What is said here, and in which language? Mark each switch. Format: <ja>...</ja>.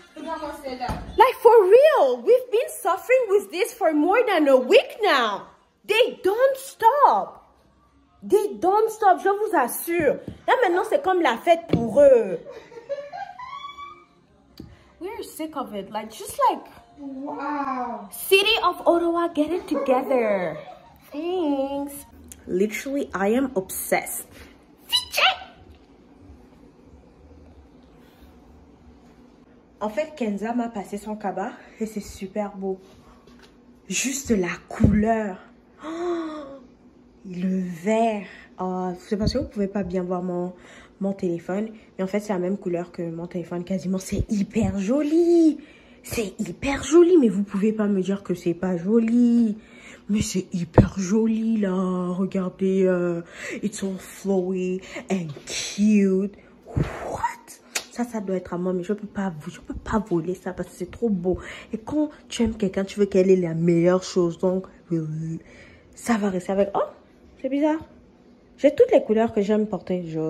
<en>Like for real, we've been suffering with this for more than a week now. They don't stop. They don't stop,</en> <fr>je vous assure. Là maintenant, c'est comme la fête pour eux.</fr> <en>We're sick of it. Like just like wow. City of Ottawa, get it together. Thanks. Literally, I am obsessed.</en> <fr>En fait, Kenza m'a passé son cabas et c'est super beau. Juste la couleur. Oh, le vert. Oh, c'est parce que vous ne pouvez pas bien voir mon téléphone. Mais en fait, c'est la même couleur que mon téléphone quasiment. C'est hyper joli. C'est hyper joli, mais vous ne pouvez pas me dire que c'est pas joli. Mais c'est hyper joli là. Regardez,</fr> <en>it's all flowy and cute. What?</en> <fr>Ça doit être à moi, mais je peux pas voler ça parce que c'est trop beau. Et quand tu aimes quelqu'un, tu veux qu'elle ait la meilleure chose. Donc, ça va rester avec. Oh, c'est bizarre. J'ai toutes les couleurs que j'aime porter.</fr>